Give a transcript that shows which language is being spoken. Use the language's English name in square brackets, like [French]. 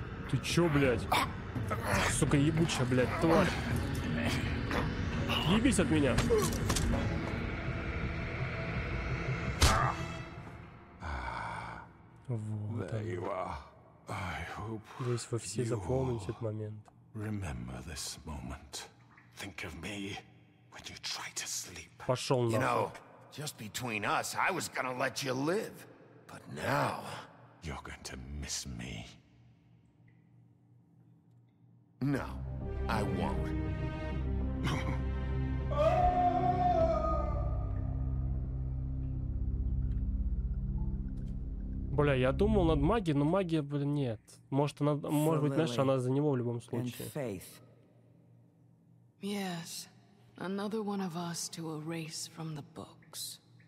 [Russian] Ты чё, блядь? Сука, ебучая, блядь, тварь. Ебись от меня. Вот он. Здесь вы все запомните этот момент. [English] Remember this moment. Think of me when you try to sleep. [Russian] Пошёл нахуй. [English] You know, just between us, I was gonna let you live. But now... You're going to miss me. No, I won't. [Russian] Бля, я думал над магией, но магия, блин, нет. Может, она, может быть, знаешь, она за него в любом случае. [English] Faith. Yes, another one of us to erase from the books.